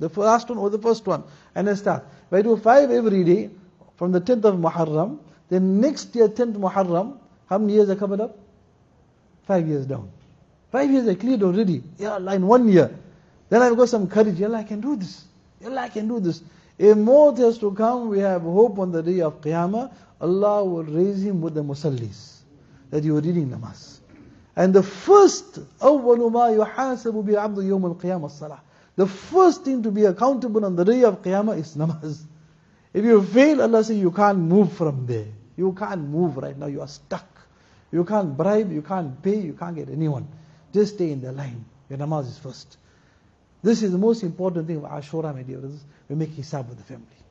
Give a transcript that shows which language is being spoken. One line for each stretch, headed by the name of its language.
English: The last one or the first one. And I start. If I do five every day from the 10th of Muharram, then next year 10th Muharram, how many years I covered up? 5 years down. 5 years I cleared already. Yeah, Allah, in 1 year. Then I've got some courage. Yeah, Allah, I can do this. Yeah, Allah, I can do this. If more has to come, we have hope on the day of Qiyamah, Allah will raise him with the musallis that you are reading namaz. And the first,
Arabic: أَوَّلُ مَا يُحَاسَبُ بِالْعَبْدُ يَوْمَ الْقِيَامَ الصَّلَاةِ.
English: The first thing to be accountable on the day of Qiyamah is namaz. If you fail, Allah says, you can't move from there. You can't move right now. You are stuck. You can't bribe, you can't pay, you can't get anyone. Just stay in the line. Your namaz is first. This is the most important thing of Ashura, my dear brothers. We make hisab with the family.